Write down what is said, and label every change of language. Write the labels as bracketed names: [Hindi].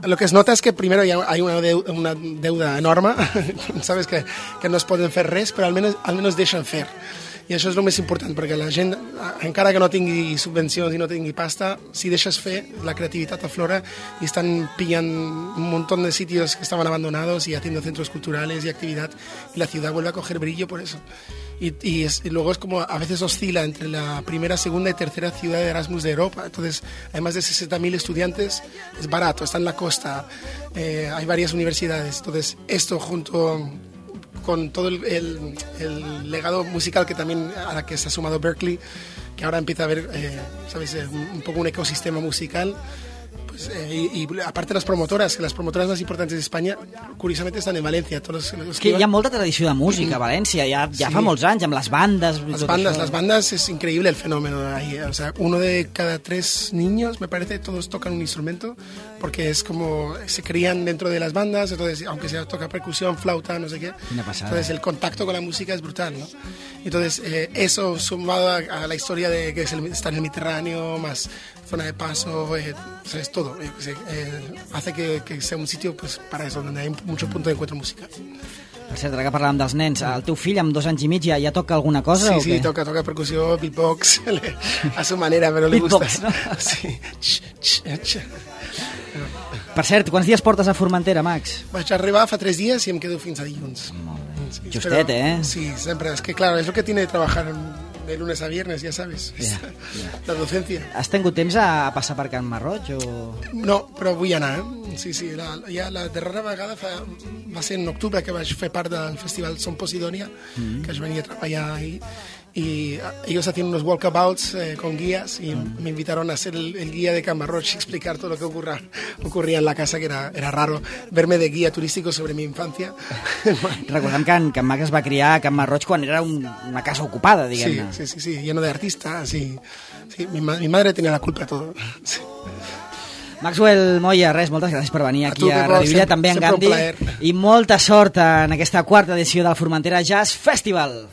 [Spanish] Lo que es nota es que primero hay una deuda enorme, sabes que [Catalan] no es poden fer res, però almenys deixen fer. I això és el més important, perquè la gent, encara que no tingui subvencions i no tingui pasta, si deixes fer, la creativitat aflora i estan pillant [Spanish] un montón de sitios [Catalan] que estaven abandonats i [Spanish] haciendo centros culturales [Catalan] i activitat, i la ciutat [Spanish] vuelve a coger brillo [Catalan] per això. [Spanish] Y luego es como a veces oscila entre la primera, segunda y tercera ciudad de Erasmus de Europa. Entonces, además de 60.000 estudiantes, es barato, está en la costa, hay varias universidades. Entonces, esto junto con todo el legado musical que también a la que se ha sumado Berkeley, que ahora empieza a ver, ¿sabes?, un poco un ecosistema musical. Pues, y aparte las promotoras más importantes de España curiosamente están en Valencia. [Catalan] Hi ha molta tradició de música a València, ja sí. Fa molts anys amb les bandes, [Spanish] las bandas es increíble el fenómeno ahí, o sea, uno de cada tres niños me parece todos tocan un instrumento, porque es como se crían dentro de las bandas, entonces aunque sea toca percusión, flauta, no sé qué, entonces el contacto con la música es brutal, ¿no? Entonces eso sumado a la historia de que está en el Mediterráneo más zona de paso, o sea, es todo, hace que sea un sitio pues para eso, donde hay mucho punto de encuentro musical. [Catalan] Per cert, ara que parlàvem dels nens, el teu fill amb dos anys i mig ja toca alguna cosa? Sí, o què? toca percussió, beatbox, [Spanish] a su manera, [Catalan] però li beatbox, [Spanish] gusta. [Catalan] No? Sí. Per cert, quants dies portes a Formentera, Max? Vaig arribar fa 3 dies i em quedo fins a dilluns. Molt bé. Justet, [Spanish] eh? [Catalan] Sí, sempre. És que, [Spanish] claro, és el que tiene de trabajar de lunes a viernes, ya sabes, la docencia. ¿Has tenido temps a pasar por Can Marroig o...? No, pero voy a anar. [Catalan] Sí, la darrera vegada va ser en octubre que vaig fer part del festival Son Posidonia, que jo venia a treballar [Spanish] ahí, y ellos hacían unos walkabouts con guías y me invitaron a ser el guía de Can Marroig, explicar todo lo que ocurría en la casa, que era raro verme de guía turístico sobre mi infancia. [Catalan] Recordem que en Mac es va criar a Can Marroig quan era una casa ocupada, diguem-ne. [Spanish] Sí, lleno de artistas y sí, mi madre tenía la culpa de todo. Sí. [Catalan] Maxwell Moya, res, moltes gràcies per venir aquí a Radio Villa, també en Gandhi. I molta sort en aquesta quarta edició del Formentera Jazz Festival.